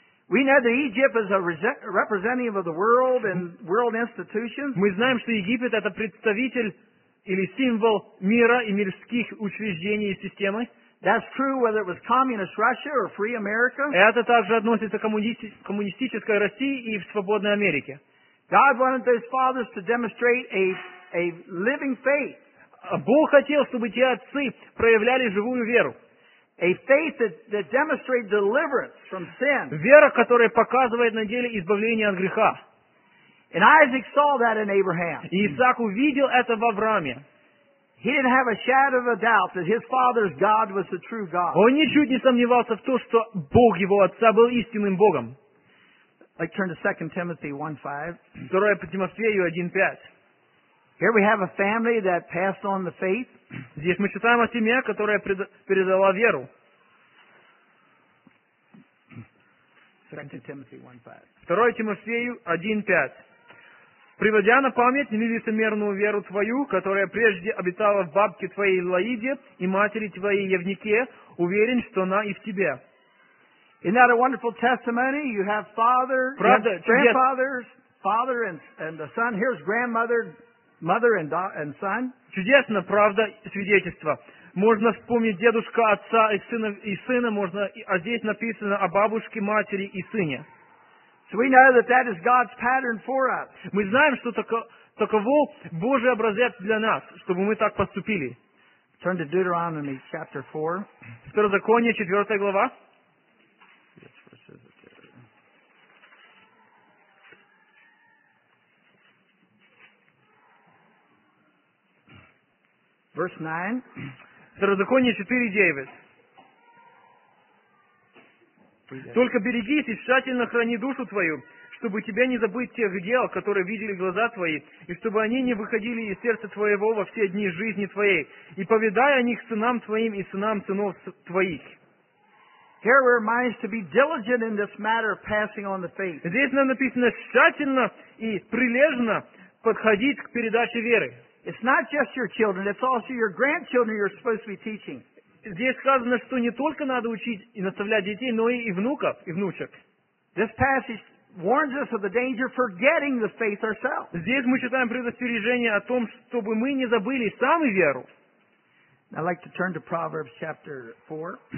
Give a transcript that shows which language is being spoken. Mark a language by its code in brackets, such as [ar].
[en] We know that Egypt is a representative of the world and world institutions. [ru] Мы знаем, что Египет это представитель или символ мира и мирских учреждений и системы. [en] That's true whether it was communist Russia or free America. [ru] Это также относится к коммунистической России и в свободной Америке. [en] God wanted those fathers to demonstrate a living faith. [ru] Бог хотел, чтобы те отцы проявляли живую веру. [en] A faith that demonstrates deliverance from sin. [ru] Вера, которая показывает на деле избавление от греха. [en] And Isaac saw that in Abraham. [ru] И Исаак увидел это в Аврааме. [en] He didn't have a shadow of a doubt that his father's God was the true God. [ru] Он ничуть не сомневался в том, что Бог его отца был истинным Богом. [en] Like turn to 2 Timothy 1:5. [ru] 2 Тимофею 1:5. [en] Here we have a family that passed on the faith. [ru] Здесь мы читаем о семье, которая передала веру. 2 Тимофею 1:5. «Приводя на память невысомерную веру твою, которая прежде обитала в бабке твоей Лоиде и матери твоей Евнике, уверен, что она и в тебе». [en] Isn't that a wonderful testimony? You have father, [ru] Правда, [en] you have grandfathers, father and the son. Here's grandmother, mother and son. [ru] Чудесно, правда, свидетельство. Можно вспомнить дедушка, отца и сына, можно, а здесь написано о бабушке, матери и сыне. [en] So we know that that is God's pattern for us. [ru] Мы знаем, что таково Божий образец для нас, чтобы мы так поступили. [en] Turn to Deuteronomy chapter 4. [ru] Второзаконие, 4 глава. [en] Verse 9. [ru] Второзаконие 4:9. Только берегись и тщательно храни душу твою, чтобы тебя не забыть тех дел, которые видели глаза твои, и чтобы они не выходили из сердца твоего во все дни жизни твоей, и поведай о них сынам твоим и сынам сынов твоих. [en] Here we're reminded to be diligent in this matter of passing on the faith. [ru] Здесь нам написано тщательно и прилежно подходить к передаче веры. [en] It's not just your children, it's also your grandchildren you're supposed to be teaching. [ru] Здесь сказано, что не только надо учить и наставлять детей, но и внуков, и внучек. [en] This passage warns us of the danger of forgetting the faith ourselves. [ru] Здесь мы читаем предостережение о том, чтобы мы не забыли сами веру. [en] I'd like to turn to Proverbs chapter 4.